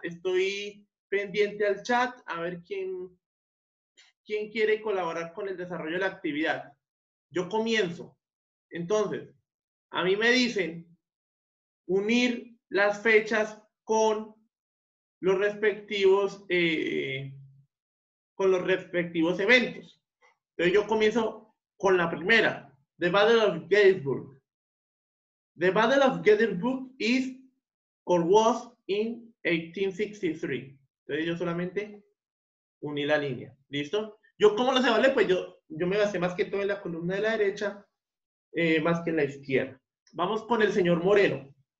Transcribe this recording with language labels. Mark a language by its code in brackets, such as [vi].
[es] Estoy pendiente al chat a ver quién quiere colaborar con el desarrollo de la actividad. Yo comienzo. Entonces, a mí me dicen unir las fechas con los respectivos con los respectivos eventos. Entonces yo comienzo con la primera, The Battle of Gettysburg. [en] The Battle of Gettysburg is or was in 1863. [es] Entonces yo solamente uní la línea. ¿Listo? ¿Yo cómo lo se vale? Pues yo me basé más que todo en la columna de la derecha, más que en la izquierda. Vamos con el señor Moreno.